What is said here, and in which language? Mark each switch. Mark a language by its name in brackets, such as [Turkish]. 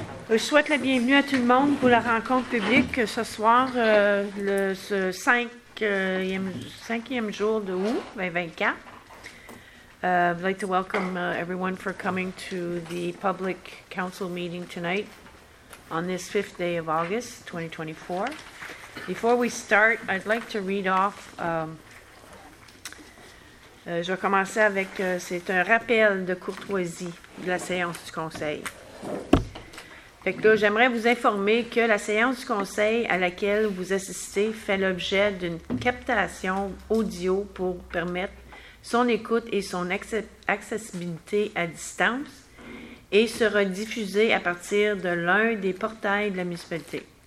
[French] Je souhaite la bienvenue à tout le monde pour la rencontre publique ce soir, ce cinquième jour de août 2024. [English] I'd like to welcome everyone for coming to the public council meeting tonight on this fifth day of August 2024. Before we start, I'd like to read off. [French] Je vais commencer avec, c'est un rappel de courtoisie de la séance du conseil. Fait que là, j'aimerais vous informer que la séance du conseil à laquelle vous assistez fait l'objet d'une captation audio pour permettre son écoute et son accessibilité à distance et sera diffusée à partir de l'un des portails de la municipalité.